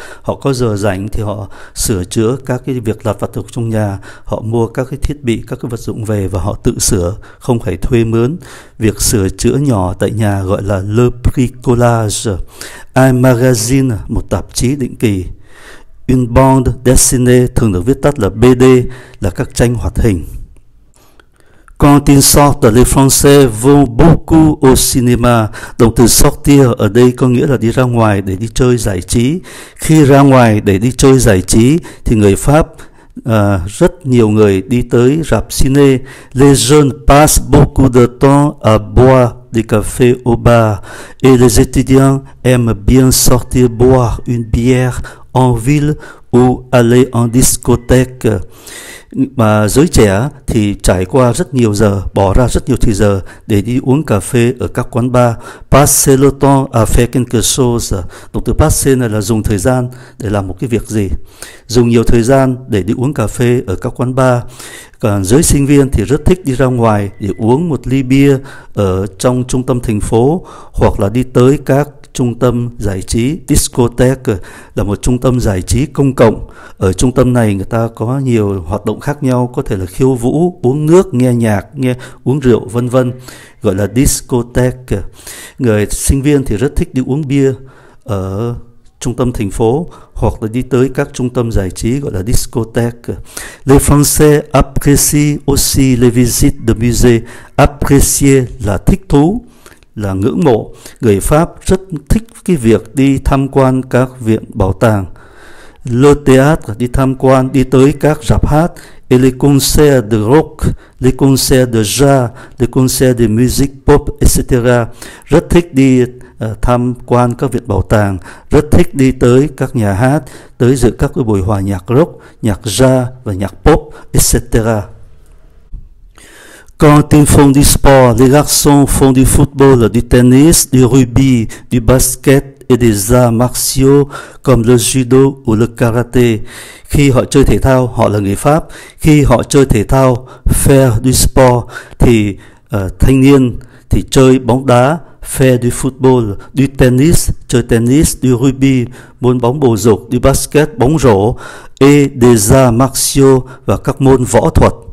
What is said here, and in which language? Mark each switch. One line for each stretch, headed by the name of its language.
Vietnamese: Họ có giờ rảnh thì họ sửa chữa các cái việc lặt vặt trong nhà, họ mua các cái thiết bị, các cái vật dụng về và họ tự sửa, không phải thuê mướn. Việc sửa chữa nhỏ tại nhà gọi là le bricolage. Un magazine, một tạp chí định kỳ. Une bande dessinée, thường được viết tắt là BD, là các tranh hoạt hình.
French: Quand ils sortent, les Français vont beaucoup au cinéma.
Vietnamese: Động từ sortir ở đây có nghĩa là đi ra ngoài để đi chơi giải trí. Khi ra ngoài để đi chơi giải trí thì người Pháp Rất nhiều người đi tới rạp ciné.
French: Les jeunes passent beaucoup de temps à boire des cafés au bar. Et les étudiants aiment bien sortir boire une bière en ville ou aller en discothèque.
Vietnamese: Mà giới trẻ thì trải qua rất nhiều giờ, bỏ ra rất nhiều thời giờ để đi uống cà phê ở các quán bar.
French: Passer le temps à faire quelque chose.
Vietnamese: Động từ passer này là dùng thời gian để làm một cái việc gì. Dùng nhiều thời gian để đi uống cà phê ở các quán bar. Còn giới sinh viên thì rất thích đi ra ngoài để uống một ly bia ở trong trung tâm thành phố, hoặc là đi tới các trung tâm giải trí. Discotheque là một trung tâm giải trí công cộng. Ở trung tâm này người ta có nhiều hoạt động khác nhau, có thể là khiêu vũ, uống nước, nghe nhạc, nghe uống rượu, vân vân, gọi là discotheque. Người sinh viên thì rất thích đi uống bia ở trung tâm thành phố hoặc là đi tới các trung tâm giải trí gọi là discothèque.
French: Les Français apprécient aussi les visites de musée.
Vietnamese: Apprécier là thích thú, là ngưỡng mộ. Người Pháp rất thích cái việc đi tham quan các viện bảo tàng. Le théâtre, đi tham quan, đi tới các rạp hát.
French: Et les concerts de rock, les concerts de jazz, les concerts de musique pop, etc.
Vietnamese: Rất thích đi tham quan các viện bảo tàng, rất thích đi tới các nhà hát, tới dự các cái buổi hòa nhạc rock, nhạc jazz và nhạc pop, etc.
French: Quand ils font du sport, les garçons font du football, du tennis, du rugby, du basket et des arts martiaux comme le judo ou le karaté.
Vietnamese: Khi họ chơi thể thao, họ là người Pháp. Khi họ chơi thể thao,
French: faire du sport,
Vietnamese: thì thanh niên thì chơi bóng đá,
French: faire du football,
Vietnamese: du tennis, chơi tennis, du rugby, môn bóng bầu dục, du basket, bóng rổ,
French: et des arts martiaux,
Vietnamese: và các môn võ thuật.